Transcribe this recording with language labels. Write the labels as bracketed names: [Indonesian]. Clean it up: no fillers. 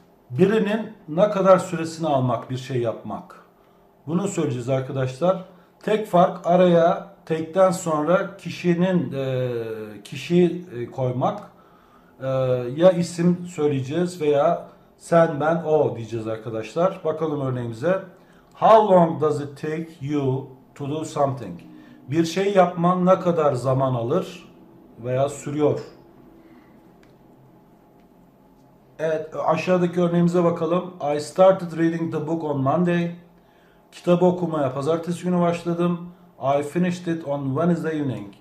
[Turkish] Birinin ne kadar süresini almak bir şey yapmak. Bunu söyleyeceğiz arkadaşlar. Tek fark araya tekten sonra kişinin kişiyi koymak. Ya isim söyleyeceğiz veya sen, ben, o diyeceğiz arkadaşlar. Bakalım örneğimize. [English] How long does it take you to do something? [Turkish] Bir şey yapman ne kadar zaman alır veya sürüyor? Evet, aşağıdaki örneğimize bakalım. [English] I started reading the book on Monday. [Turkish] Kitabı okumaya pazartesi günü başladım. [English] I finished it on Wednesday evening.